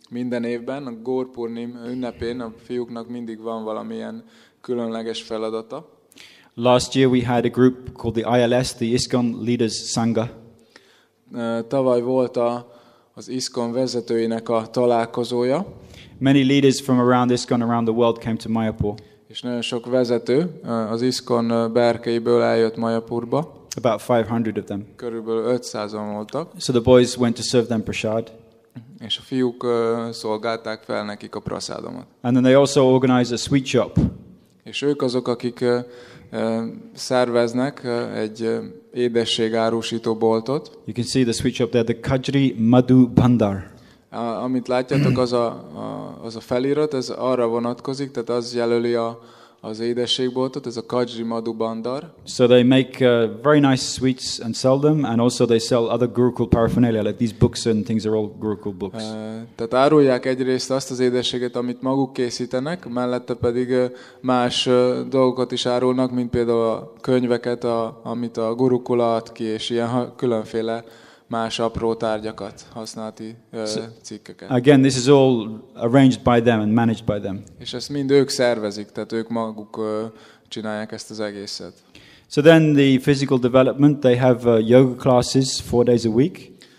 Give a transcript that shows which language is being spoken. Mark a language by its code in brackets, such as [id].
[hu] Minden évben a Gaur Purnim ünnepén a fiúknak mindig van valamilyen különleges feladata. [en] Last year we had a group called the ILS, the ISKCON Leaders Sangha. [hu] Tavaly volt az ISKCON vezetőinek a találkozója. [en] Many leaders from around ISKCON, around the world came to Mayapur. [hu] És nagyon sok vezető az ISKCON berkeiből eljött Mayapurba. [en] About 500 of them. [hu] Körülbelül 500-an voltak. [en] So the boys went to serve them prasad. [hu] És a fiúk szolgálták fel nekik a prasadomat. [en] And then they also organized a sweet shop. [hu] És ők azok, akik szerveznek egy édességárusító boltot. [en] You can see the sweet shop there, the Kajri Madhu Bandar. [hu] Amit látjátok, az a felirat, ez arra vonatkozik, tehát az jelöli az édességboltot, ez a Kajri Madhu Bandar. [en] So they make very nice sweets and sell them, and also they sell other Gurukul paraphernalia, like these books and things are all Gurukul books. [hu] Tehát árulják egyrészt azt az édességet, amit maguk készítenek, mellette pedig más dolgokat is árulnak, mint például a könyveket, amit a Gurukul ad ki, és ilyen különféle más apró tárgyakat, használati cikkeket. [en] Again, this is all arranged by them and managed by them. [hu] És ezt mind ők szervezik, tehát ők maguk csinálják ezt az egészet. [en] So then the physical development, they have yoga classes 4 days a week.